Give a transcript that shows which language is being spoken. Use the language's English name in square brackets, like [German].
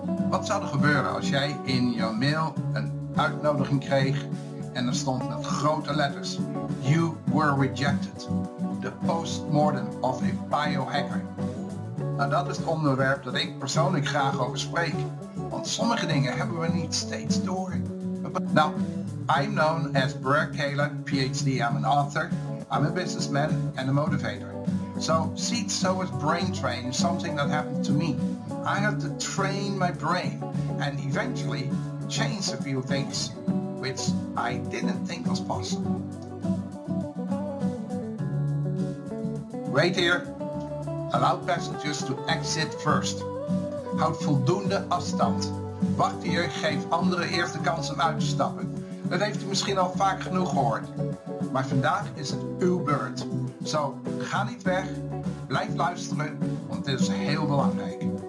[Dutch] Wat zou er gebeuren als jij in jouw mail een uitnodiging kreeg en er stond met grote letters: [English] You were rejected. The postmortem of a biohacker. [Dutch] Nou, dat is het onderwerp dat ik persoonlijk graag over spreek, want sommige dingen hebben we niet steeds door. [English] Nou, I'm known as Brad Kaler, PhD. I'm an author, I'm a businessman and a motivator. So Seed Sower's brain train is something that happened to me. I had to train my brain and eventually change a few things, which I didn't think was possible. Wait here. Allow passengers to exit first. [Dutch] Houd voldoende afstand. Wacht hier, geef anderen eerst de kans om uit te stappen. Dat heeft u misschien al vaak genoeg gehoord. Maar vandaag is het uw beurt. Zo, ga niet weg. Blijf luisteren, want dit is heel belangrijk.